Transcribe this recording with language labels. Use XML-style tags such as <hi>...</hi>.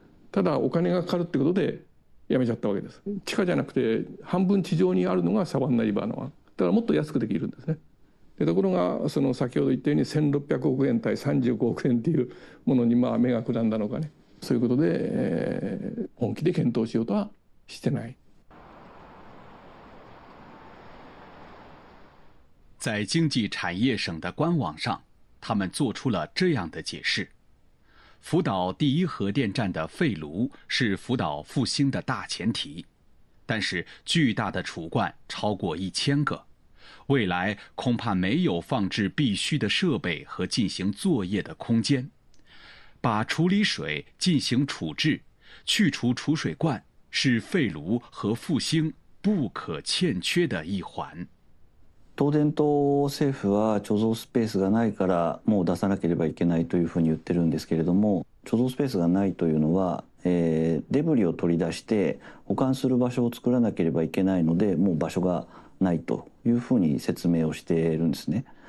<ja>ただお金がかかるってことでやめちゃったわけです。地下じゃなくて半分地上にあるのがサバンナリバーの案だから、もっと安くできるんですね。でところがその先ほど言ったように1600億円対35億円っていうものにまあ目がくらんだのかね、そういうことで、本気で検討しようとはしてない。</ja> <zh>在经济产业省的官网上，他们做出了这样的解释：福岛第一核电站的废炉是福岛复兴的大前提，但是巨大的储罐超过1000个，未来恐怕没有放置必需的设备和进行作业的空间。把处理水进行处置，去除储水罐，是废炉和复兴不可欠缺的一环。</zh> <ja>東電と政府は貯蔵スペースがないからもう出さなければいけないというふうに言ってるんですけれども、貯蔵スペースがないというのは、デブリを取り出して保管する場所を作らなければいけないので、もう場所がないというふうに説明をしているんですね。</ja>